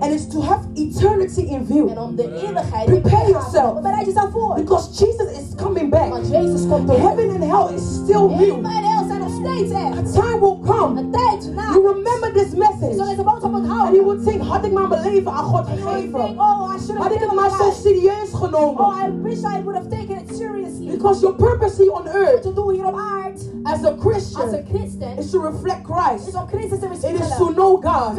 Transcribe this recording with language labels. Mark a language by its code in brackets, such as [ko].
[en] And it is to have eternity in view. [nl] En om de eeuwigheid. [en] Prepare yourself. [nl] Bereid jezelf voor. [en] Because Jesus is coming back. [nl] Want Jezus komt terug. [en] Heaven and hell is still real. [nl] Hemel en hel zijn nog steeds echt. [en] A time will come. [nl] Een tijd na. [en] You remember this message. [nl] Je zal deze boodschap onthouden. [en] And you will think, [nl] had ik mijn beleven aan God gegeven? Oh, had ik het maar zo serieus genomen? [en] Oh, I wish I would have taken it seriously. Because your purpose on earth to do here on earth as a Christian, as a Christian, is to reflect Christ, [nl] is om Christus te [en] reflecteren, it is to know God,